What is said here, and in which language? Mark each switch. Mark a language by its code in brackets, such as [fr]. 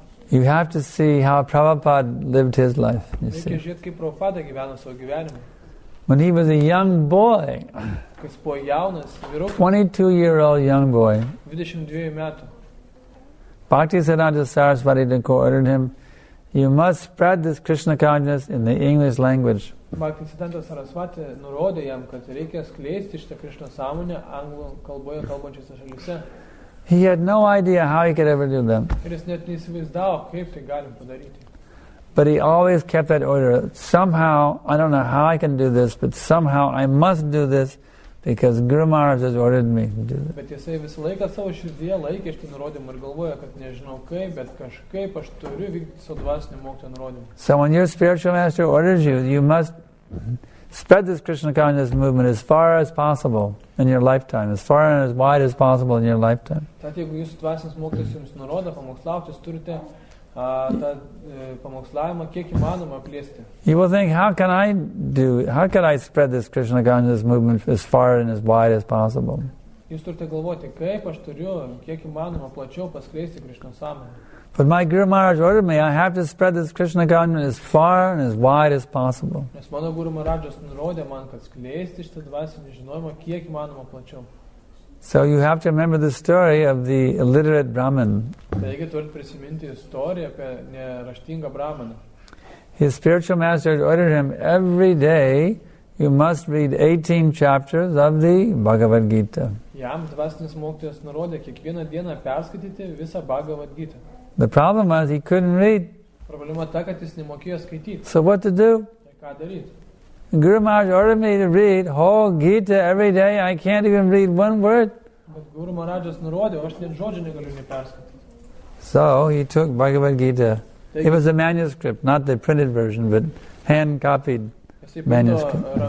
[en] You have to see how Prabhupada lived his life, you see. When he was a young boy, 22-year-old young boy, Bhaktisiddhanta Saraswati Thakur ordered him, you must spread this Krishna consciousness in the English language. [lt] Bhaktisiddhanta Saraswati nurodė jam, kad reikia skleisti šitą Krishna sąmonę anglų kalboje kalbančiose šalyse. [en] He had no idea how he could ever do that. [lt] Ir jis net neįsivaizdavo, kaip tai galim padaryti. [en] But he always kept that order. Somehow, I don't know how I can do this, but somehow I must do this because Guru Maharaj has ordered me to do this. [lt] Bet jisai visą laiką savo širdyje laikė šitą nurodymą ir galvoja, kad nežinau kaip, bet kažkaip aš turiu vykti savo dvasinį mokytojo nurodymą. [en] So when your spiritual master orders you, you must spread this Krishna consciousness movement as far as possible in your lifetime, as far and as wide as possible in your lifetime. [lt] Tad jeigu jūsų dvasinis mokytojas jums nurodo pamokslauti, jūs turite pamokslavimą kiek įmanoma plėsti. [en] You will think, how can I spread this Krishna consciousness movement as far and as wide as possible? [lt] Jūs turite galvoti, kaip aš turiu kiek įmanoma plačiau paskleisti Krishna sąmonę. [en] But my Guru Maharaj ordered me, I have to spread this Krishna consciousness as far and as wide as possible. [lt] Nes mano Guru Maharajas nurodė man, kad skleisti šitą dvasinį žinojimą kiek įmanoma plačiau. [en] So you have to remember the story of the illiterate Brahmin. [lt] Taigi turite prisiminti istoriją apie neraštingą Brahmaną. [en] His spiritual master ordered him, every day you must read 18 chapters of the Bhagavad Gita. [lt] Jam dvasinis mokytojas nurodė kiekvieną dieną perskaityti visą Bhagavad Gita. [en] The problem was he couldn't read. [lt] Problema ta, kad jis nemokėjo skaityti. [en] So what to do? [lt] Ką daryti? [en] Guru Maharaj ordered me to read whole Gita every day. I can't even read one word. [lt] But Guru Maharaj's nurodė, aš net žodžio negaliu neperskaityti. [en] So he took Bhagavad Gita. It was a manuscript, not the printed version, but hand-copied manuscript.